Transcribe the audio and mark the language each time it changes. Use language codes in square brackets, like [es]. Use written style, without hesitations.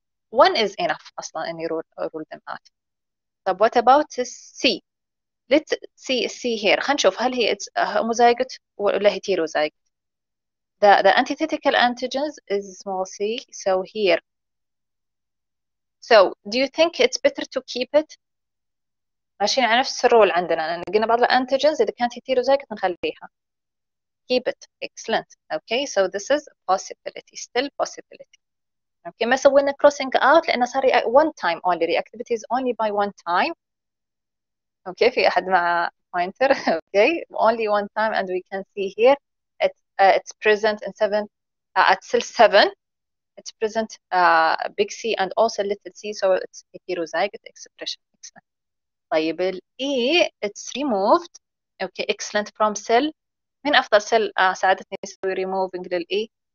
[en] One is enough [ar] أصلا أني [en] rule them out. طب what about C? Let's see C here. [ar] هنشوف هل هي [en] it's homozygote [ar] ولا [en] heterozygote. The antithetical antigens is small C. So here. So do you think it's better to keep it? [ar] عشان نفس الرول عندنا. قلنا بعض الأنتيجنز إذا كانت heterozygote نخليها. [en] Keep it. Excellent. Okay. So this is a possibility. Still possibility. Okay, [ar] ما سوينا [en] crossing out [ar] لأن صار [en] one time only, reactivity is only by one time. Okay, [ar] في أحد مع [en] pointer, okay, only one time and we can see here it's present in seven, at cell seven, it's present big C and also little C, so it's heterozygous expression. Excellent. [ar] طيب الـ [en] E, it's removed, okay, excellent from cell. [ar] من أفضل cell ساعدتني نسوي removing للـ E?